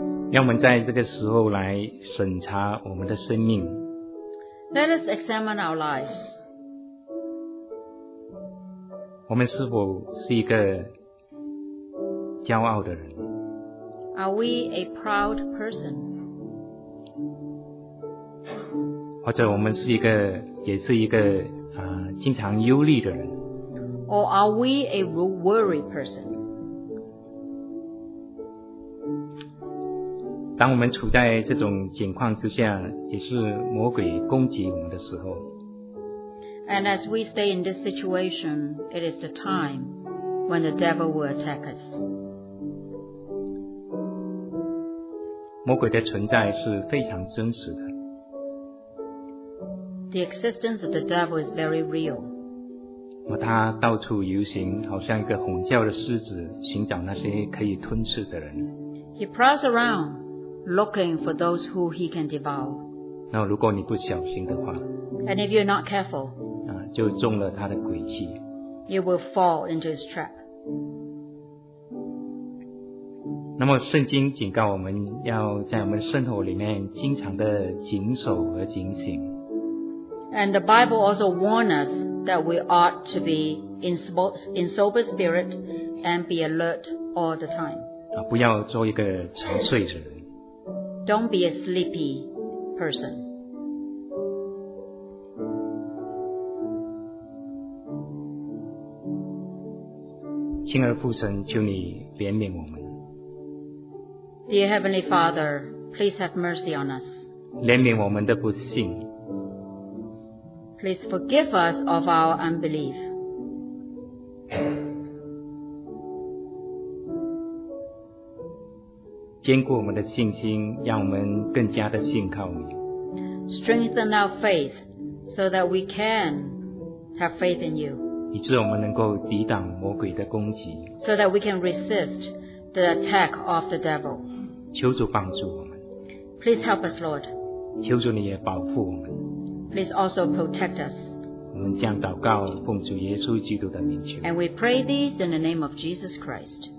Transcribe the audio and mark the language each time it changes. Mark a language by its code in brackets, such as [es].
[zh] 让我们在这个时候来审查我们的生命。 [en] Let us examine our lives. [zh] 我们是否是一个骄傲的人？ [en] Are we a proud person? [zh] 或者我们是一个，也是一个，经常忧虑的人？ [en] Or are we a worried person? [zh] 当我们处在这种境况之下，也是魔鬼攻击我们的时候。 [en] And as we stay in this situation, it is the time when the devil will attack us. [zh] 魔鬼的存在是非常真实的。 [en] The existence of the devil is very real. [zh] 他到处游行，好像一个吼叫的狮子，寻找那些可以吞噬的人。 [en] He prowls around. Looking for those who he can devour. [zh] 那如果你不小心的话 [en] And if you're not careful, [zh] 就中了他的诡计 [en] You will fall into his trap. [zh] 那么圣经警告我们要在我们生活里面经常的谨守和警醒 [en] And the Bible also warns us that we ought to be in sober spirit and be alert all the time. [zh] 啊，不要做一个沉睡者。 [en] Don't be a sleepy person. [zh] 亲爱的父神，求你怜悯我们。 [en] Dear Heavenly Father, please have mercy on us. [zh] 怜悯我们的不幸。 [en] Please forgive us of our unbelief. [zh] 坚固我们的信心，让我们更加的信靠你。 [en] Strengthen our faith so that we can have faith in you. [zh] 以致我们能够抵挡魔鬼的攻击。 [en] So that we can resist the attack of the devil. [zh] 求主帮助我们。 [en] Please help us, Lord. [zh] 求主你也保护我们。 [en] Please also protect us. [zh] 我们将祷告奉主耶稣基督的名求。 [en] And we pray this in the name of Jesus Christ.